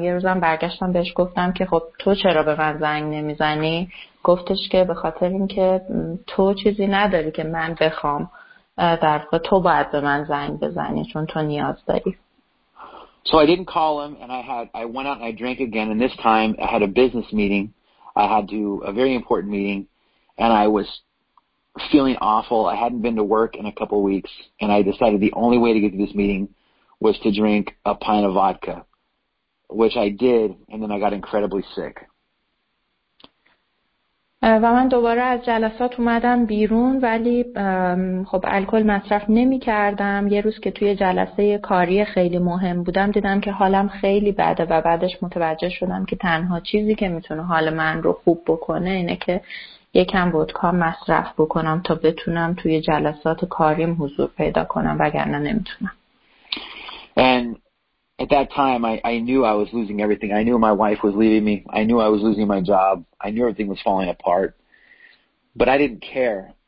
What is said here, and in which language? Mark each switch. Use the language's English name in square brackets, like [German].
[Persian] یه روزم برگشتم بهش گفتم که خب تو چرا به من زنگ نمیزنی؟ گفتش که به خاطر اینکه تو چیزی نداری که من بخوام، در واقع تو باید به من زنگ بزنی چون تو نیاز داری. [English] So I didn't call him and I went out and I drank again and this time I had a business meeting. I had to a very important meeting and I was feeling awful. I hadn't been to work in a couple weeks and I decided the only way to get to this meeting was to drink a pint of vodka, which I did, and then I got incredibly sick. [Persian] و من دوباره از جلسات اومدم بیرون، ولی خب الکل مصرف نمی کردم. یه روز که توی جلسه کاری خیلی مهم بودم، دیدم که حالم خیلی بده و بعدش متوجه شدم که تنها چیزی که میتونه حال من رو خوب بکنه اینه که یکم ودکا مصرف بکنم تا بتونم توی جلسات کاریم حضور پیدا کنم، وگرنه نمیتونم. [English] And at that time, I knew I was losing everything. I knew my wife was leaving me. I knew I was losing my job. I knew everything was falling apart. But I didn't care.